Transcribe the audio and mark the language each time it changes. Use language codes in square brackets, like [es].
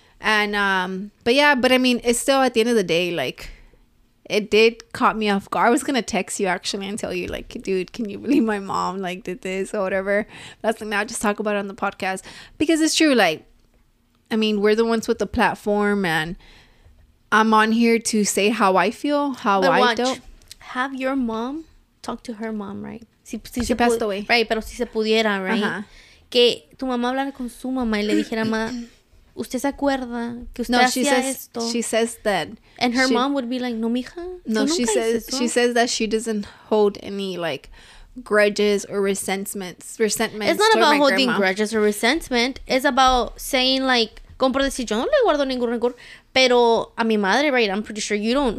[en] And, but I mean, it's still at the end of the day, like, it did caught me off guard. I was going to text you, actually, and tell you, like, dude, can you believe my mom, like, did this or whatever? That's like, now just talk about it on the podcast. Because it's true, like, I mean, we're the ones with the platform, and I'm on here to say how I feel, how but I watch. Don't. Have your mom talk to her mom, right? She passed away. [es] Right, pero si se pudiera, right? Uh-huh. Que tu mamá hablara con su mamá y le dijera, ma, ¿usted se acuerda que usted hacía esto? [en] No, she says that. And her mom would be like, [es] no, mija. [en] No, she says that she doesn't hold any, like, grudges or resentments. It's not about holding grudges or resentment. It's about saying, like, [es] como por decir, yo no le guardo ningún rencor, pero a mi madre, [en] right? I'm pretty sure you don't.